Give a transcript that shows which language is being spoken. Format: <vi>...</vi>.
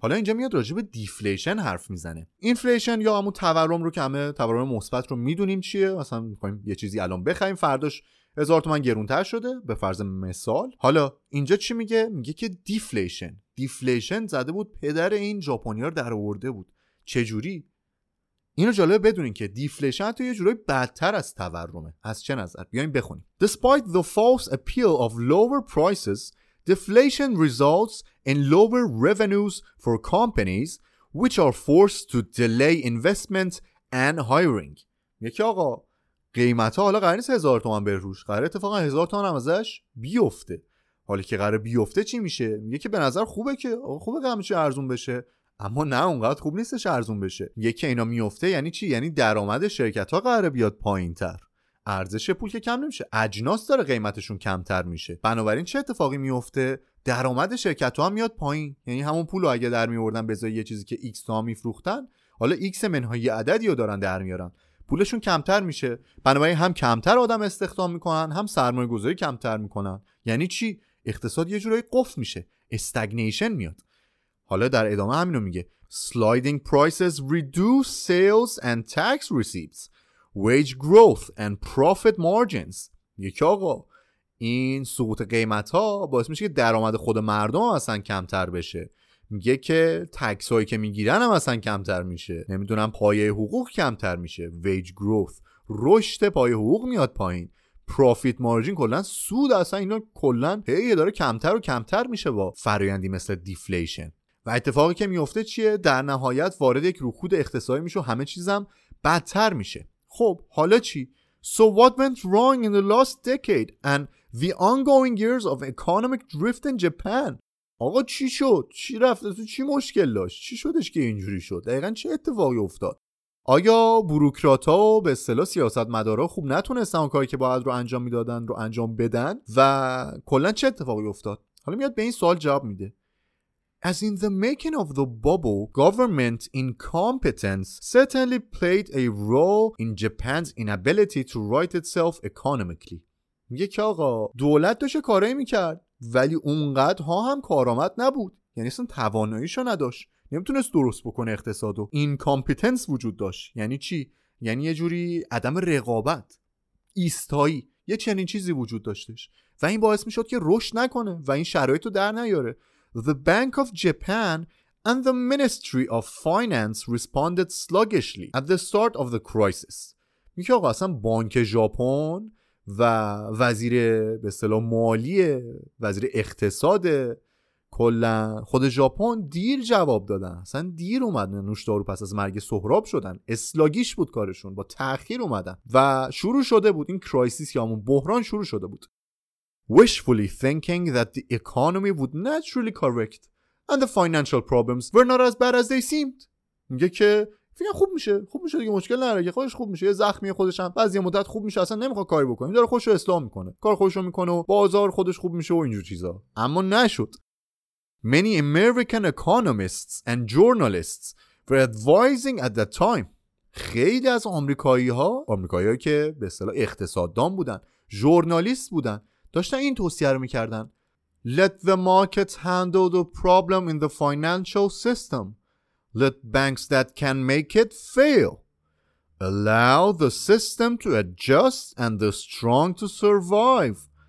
<fa>حالا اینجا میاد راجع به دیفلیشن حرف میزنه. اینفلیشن یا همون تورم رو که همه تورم مثبت رو میدونیم چیه، مثلا میخوایم یه چیزی الان بخریم فرداش 1000 تومان گرونتر شده به فرض مثال. حالا اینجا چی میگه؟ میگه که دیفلیشن زده بود پدر این ژاپونیا رو درآورده بود. چه جوری؟ اینو جالب بدونین که دیفلیشن تو یه جورایی بدتر از تورمه. از چه نظر؟ بیاین بخونیم.</fa> <en>Despite the false appeal of lower prices, deflation results in lower revenues for companies which are forced to delay investment and hiring.</en> <fa>یکی آقا قیمتا حالا قرار نیست 1000 تومان بره روش، قرار اتفاقا 1000 تومان هم ازش بیفته. حالا که قرار بیفته چی میشه؟ میگه که به نظر خوبه که خوبه که همه چی ارزون بشه، اما نه اونقدر خوب نیستش ارزون بشه. یکی اینا میفته یعنی چی؟ یعنی درآمد شرکت ها قراره بیاد پایین تر، ارزش پول که کم نمیشه، اجناس داره قیمتشون کمتر میشه. بنابراین چه اتفاقی میفته؟ درآمد شرکت ها هم میاد پایین. یعنی همون پول رو اگه در میوردن بذار یه چیزی که ایکس تا میفروختن، حالا ایکس منهای عددی رو دارن در میارن، پولشون کمتر میشه. بنابراین هم کمتر آدم استخدام میکنن، هم سرمایه گذاری کمتر میکنن. یعنی چی؟ اقتصاد یه جورایی قفل میشه، استگنیشن میاد. حالا در ادامه همینو میگه.</fa> <en>Sliding prices reduce sales and tax receipts, wage growth and profit margins.</en> <fa>یکی آقا این سقوط قیمت ها باعث میشه که درآمد خود مردم هم اصلا کمتر بشه. میگه که تکس هایی که میگیرن هم اصلا کمتر میشه، نمیدونم پایه حقوق کمتر میشه، wage growth رشد پایه حقوق میاد پایین، پروفیت مارجین کلن سود اصلا اینا کلن هیه داره کمتر و کمتر میشه با فرایندی مثل دیفلیشن. و اتفاقی که میفته چیه؟ در نهایت وارد یک رکود اقتصادی میشه و همه چیزم بدتر میشه. خب حالا چی؟</fa> <en>So what went wrong in the last decade and the ongoing years of economic drift in Japan?</en> <fa>آقا چی شد؟ چی رفته؟ تو چی مشکل داشت؟ چی شدش که اینجوری شد؟ دقیقاً چه اتفاقی افتاد؟ آیا بوروکرات ها و به اصطلاح سیاست مدار ها خوب نتونستن کاری که باید رو انجام میدادن رو انجام بدن؟ و کلن چه اتفاقی افتاد؟ حالا میاد به این سوال جواب میده.</fa> <en>As in the making of the bubble, government incompetence certainly played a role in Japan's inability to right itself economically.</en> <fa>میگه که آقا دولت داشت کارایی میکرد ولی اونقدر ها هم کارآمد نبود، یعنی اصلا تواناییشو نداشت، نمیتونست درست بکنه اقتصادو. incompetence وجود داشت یعنی چی؟ یعنی یه جوری عدم رقابت، ایستایی، یه چنین چیزی وجود داشتش و این باعث میشد که رشد نکنه و این شرایطو در نیاره.</fa> <en>The Bank of Japan and the Ministry of Finance responded sluggishly at the start of the crisis.</en> <fa>میگه آقا اصلا بانک ژاپن و وزیر به اصطلاح مالی وزیر اقتصاد کلن خود ژاپن دیر جواب دادن، اصلا دیر اومدن نوشدارو پس از مرگ سهراب شدن، اسلاگیش بود کارشون، با تأخیر اومدن و شروع شده بود این کرایسیس یا همون بحران شروع شده بود. Wishfully thinking that the economy would naturally correct and the financial problems were not as bad as they seemed. میگه که فکر خوب میشه، خوب میشه دیگه، مشکل نداره، خودش خوب میشه، یه زخمی خودش هم بعد از یه مدت خوب میشه، اصلا نمیخواد کاری بکنه، داره خودشو اصلاح میکنه، کار خودشو میکنه و بازار خودش خوب میشه و اینجور چیزا. اما نشد.</fa> <en>Many American economists and journalists were advising at that time.</en> <fa>خیلی از آمریکایی‌ها که به اصطلاح اقتصاددان بودن، ژورنالیست بودن، داشتن این توصیه رو میکردن.</fa> <en>Let the market handle the problem in the financial system. Let banks that can make it fail. Allow the system to adjust and the strong to survive.</en>